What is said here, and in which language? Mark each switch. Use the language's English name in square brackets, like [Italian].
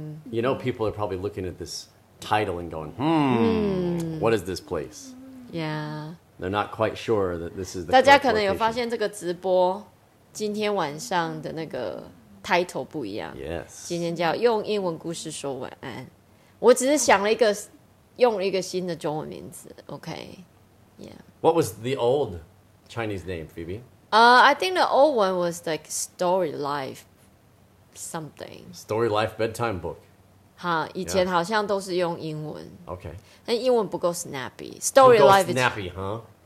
[English] You know, people are probably looking at this title and going, what is this place? Yeah. They're not quite sure that this is the [Chinese] 大家可能有发现这个直播今天晚上的那个title不一样。 [English] Yes. [Chinese] 今天叫用英文故事说晚安。我只是想了一个用了一个新的中文名字。 [English] Okay. Yeah. What was the old Chinese name, Phoebe? I think the old one was like Story Life something. Story Life Bedtime Book. [Chinese] 以前好像都是用英文。 [English] Okay. Yeah. [Chinese] 但英文不够snappy. Story Life is... [English] snappy, huh?